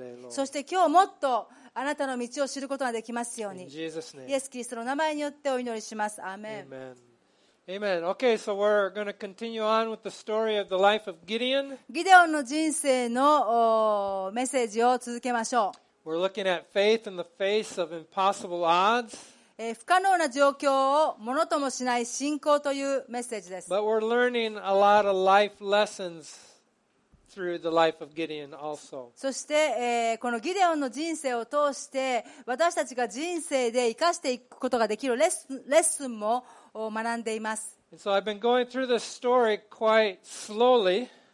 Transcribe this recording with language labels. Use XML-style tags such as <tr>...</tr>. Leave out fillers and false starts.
<ja>そして今日もっとあなたの道を知ることができますように。イエス・キリストの名前によってお祈りします。アーメン。</ja> <en>Amen. Amen. Okay, so we're going to continue on with the story of the life of Gideon.</en> <ja>ギデオンの人生のメッセージを続けましょう。</ja> <en>We're looking at faith in the face of impossible odds.</en> <ja>不可能な状況をものともしない信仰というメッセージです。</ja> <en>But we're learning a lot of life lessons through the life of Gideon also.</en> <ja>そしてこのギデオンの人生を通して私たちが人生で生かしていくことができるレッスンも学んでいます。</ja> <en>And so I've been going through this story quite slowly.</en>